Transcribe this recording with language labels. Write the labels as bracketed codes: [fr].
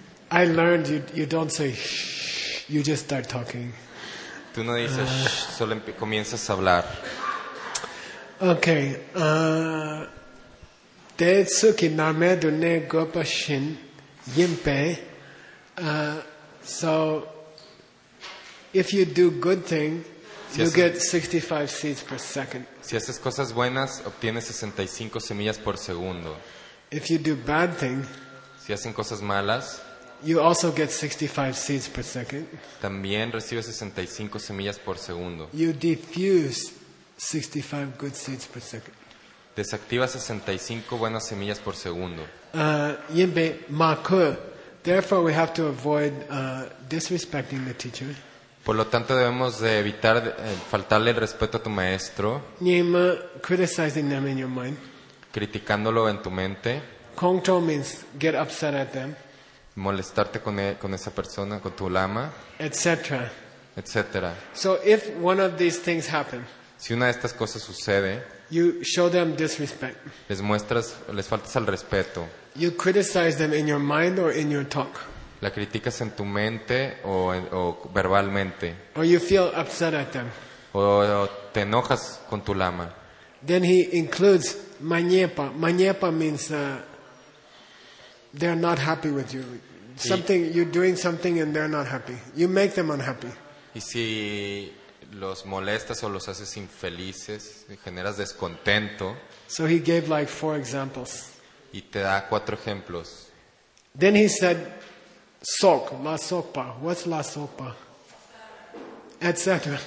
[en] I learned you don't say shh, you just start talking. [es] Tú no dices shh, solo comienzas a hablar. [bo] Okay. De tsuki name dune gopa shin yinpe. So [en] If you do good thing, si you get 65 seeds per second. [es] Si haces cosas buenas, obtienes 65 semillas por segundo. [en] If you do bad thing, [es] si hacen cosas malas, [en] you also get 65 seeds per second. [es] También recibes 65 semillas por segundo. [en] You diffuse 65 good seeds per second. [es] Desactivas 65 buenas semillas por segundo. [bo] Yinbei maku. [en] Therefore, we have to avoid disrespecting the teacher. [es] Por lo tanto, debemos de evitar faltarle el respeto a tu maestro. [en] Nima, criticizing them in your mind. [es] Criticándolo en tu mente. [en] Kongcho means get upset at them. [es] Molestarte con esa persona, con tu lama. Etcétera. Etcétera. [en] So if one of these things happen. [es] Si una de estas cosas sucede. [en] You show them disrespect. [es] Les muestras, les faltas al respeto. [en] You criticize them in your mind or in your talk. [es] La criticas en tu mente o verbalmente. [en] Or you feel upset at them. [es] O te enojas con tu lama. [en] Then he includes mañepa. Mañepa means they're not happy with you. Something you're doing something and they're not happy. You make them unhappy. [es] Y si los molestas o los haces infelices, generas descontento. [en] So he gave like four examples. [es] Y te da cuatro ejemplos. [en] Then he said, "Sok, la sopa. What's la sopa?" Etc.